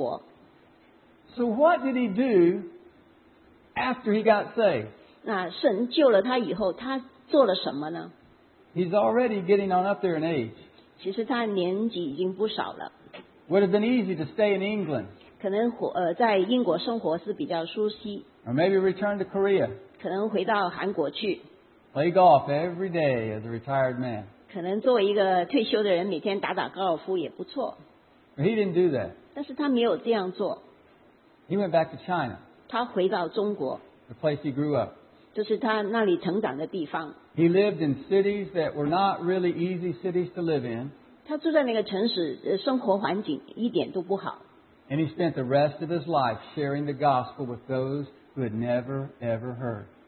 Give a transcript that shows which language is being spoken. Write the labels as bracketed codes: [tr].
[zh] 他让我有目的的去生活。 [en] So what did he do? After he got saved, [zh] 那神救了他以后，他做了什么呢？ [en] He's already getting on up there in age. [zh] 其实他年纪已经不少了。 [en] Would have been easy to stay in England. [zh] 可能在英国生活是比较舒适。 [en] Or maybe return to Korea. [zh] 可能回到韩国去。 [en] Play golf every day as a retired man. [zh] 可能作为一个退休的人，每天打打高尔夫也不错。 [en] But he didn't do that. [zh] 但是他没有这样做。 [en] He went back to China. [zh] 他回到中国, [en] the place he grew up. [zh] 就是他那里成长的地方. [en] He lived in cities that were not really easy cities to live in. [zh] 他住在那个城市, 生活环境一点都不好. [en] And he spent the rest of his life sharing the gospel with those who had never, ever heard.